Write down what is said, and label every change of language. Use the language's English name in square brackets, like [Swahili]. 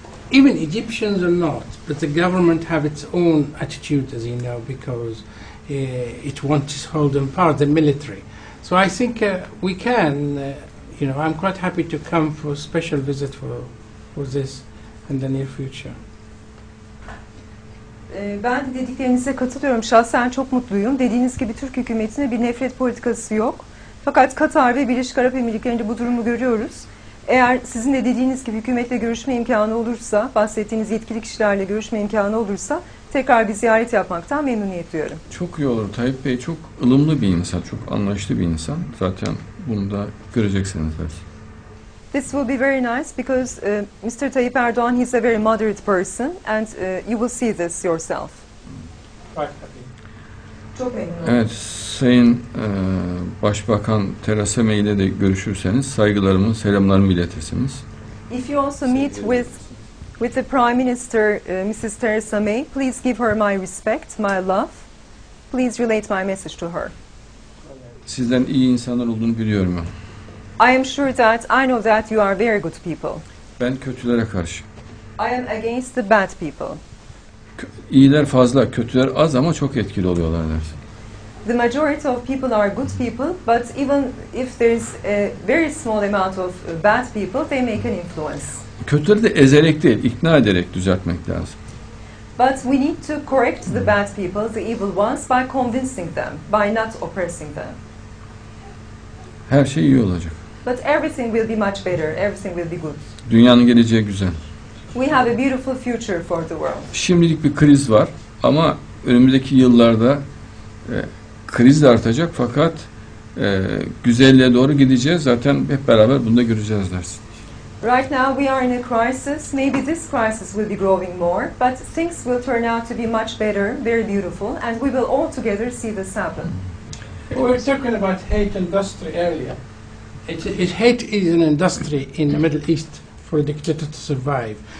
[English] Even Egyptians are not, but the government have its own attitude, as you know, because it wants to hold in power the military. So I think we can, you know, I'm quite happy to come for a special visit for this in the near future. [Turkish] Ben dediklerinize katılıyorum. Şahsen çok mutluyum. Dediğiniz gibi Türk hükümetine bir nefret politikası yok. Fakat Katar ve Birleşik Arap Emirlikleri'nde bu durumu görüyoruz. Eğer sizin de dediğiniz gibi hükümetle görüşme imkanı olursa, bahsettiğiniz yetkili kişilerle görüşme imkanı olursa tekrar bir ziyaret yapmaktan memnuniyet duyuyorum. Çok iyi olur. Tayyip Bey çok ılımlı bir insan, çok anlayışlı bir insan. Zaten bunu da göreceksiniz belki. [English] This will be very nice because Mr. Tayyip Erdoğan, he's a very moderate person and you will see this yourself. [Turkish] Çok memnun oldum. Evet, Sayın Başbakan Theresa May ile de görüşürseniz saygılarımı, selamlarımı iletirsiniz. [English] If you also meet with the Prime Minister, Mrs. Theresa May, please give her my respect, my love. Please relate my message to her. [Turkish] Sizden iyi insanlar olduğunu biliyorum ben. [English] I am sure that I know that you are very good people. [Turkish] Ben kötülere karşı. [English] I am against the bad people. [Turkish] İyiler fazla, kötüler az ama çok etkili oluyorlar dersin. [English] The majority of people are good people, but even if there is a very small amount of bad people, they make an influence. [Turkish] Kötüleri de ezerek değil, ikna ederek düzeltmek lazım. [English] But we need to correct the bad people, the evil ones, by convincing them, by not oppressing them. [Turkish] Her şey iyi olacak. [English] But everything will be much better, everything will be good. [Turkish] Dünyanın geleceği güzel. [English] We have a beautiful future for the world. [Turkish] Şimdilik bir kriz var ama önümüzdeki yıllarda kriz de artacak fakat güzelliğe doğru gideceğiz. Zaten hep beraber bunu da göreceğiz dersin. [English] Right now we are in a crisis. Maybe this crisis will be growing more, but things will turn out to be much better, very beautiful, and we will all together see this happen. We were talking about hate industry earlier. Hate is an industry in the Middle East for a dictator to survive.